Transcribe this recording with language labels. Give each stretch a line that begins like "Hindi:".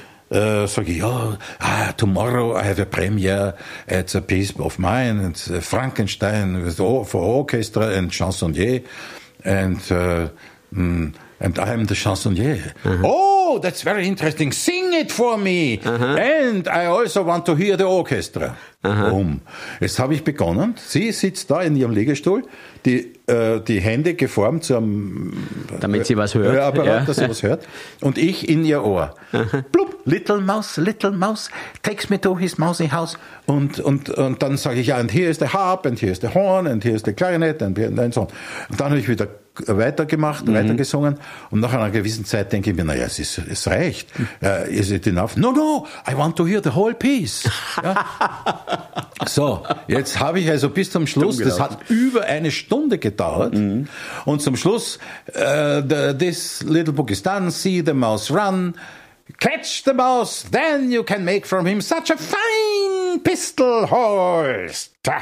German: Sag ich, ja,
English: tomorrow I have a premiere, it's a piece of mine, it's Frankenstein for orchestra and chansonnier, and I'm the chansonnier. Oh, that's very interesting, sing it for me, and I also want to hear the orchestra.
German: Jetzt habe ich begonnen, sie sitzt da in ihrem Liegestuhl, die Hände geformt zu einem damit sie was hört. Hörapparat, dass sie was hört, und ich in ihr Ohr.
English: Blub, little mouse, takes me to his mousy house.
German: Und dann sage ich, ja,
English: and here is the harp, and here is the horn, and here is the clarinet, and so on.
German: Und dann habe ich wieder weitergemacht, weitergesungen, und nach einer gewissen Zeit denke ich mir, naja, es reicht.
English: Is it enough? No, I want to hear the whole piece.
German: So, jetzt habe ich also bis zum Schluss,
English: das hat über eine Stunde gedauert, und zum Schluss, this little book is done, see the mouse run, catch the mouse, then you can make from him such a fine pistol holster.